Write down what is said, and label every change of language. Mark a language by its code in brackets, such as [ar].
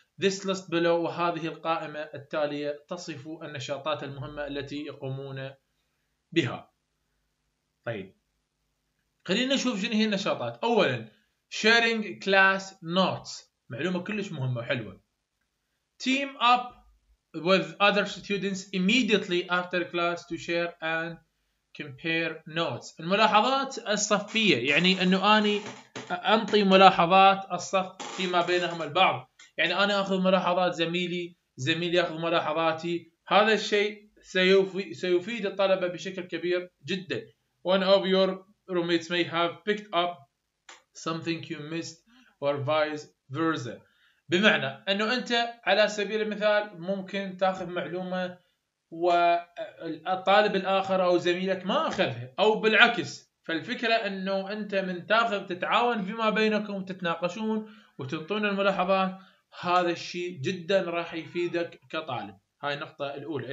[en] This list below, [ar] وهذه القائمة التالية تصف النشاطات المهمة التي يقومون بها. طيب خلينا نشوف شنو هي النشاطات. أولا [en] sharing class notes, [ar] معلومة كلش مهمة وحلوة. [en] Team up with other students immediately after class to share and compare notes. [ar] الملاحظات الصفية, يعني أنه أني أنطي ملاحظات الصف فيما بينهم البعض, يعني أنا أخذ ملاحظات زميلي يأخذ ملاحظاتي. هذا الشيء سيفيد الطلبة بشكل كبير جدا. [en] One of your roommates may have picked up something you missed or vice versa. [ar] بمعنى أنه أنت على سبيل المثال ممكن تأخذ معلومة والطالب الآخر أو زميلك ما أخذها أو بالعكس. فالفكرة أنه أنت من تأخذ تتعاون فيما بينكم وتتناقشون وتنطون الملاحظات, هذا الشيء جدا راح يفيدك كطالب. هاي النقطة الأولى.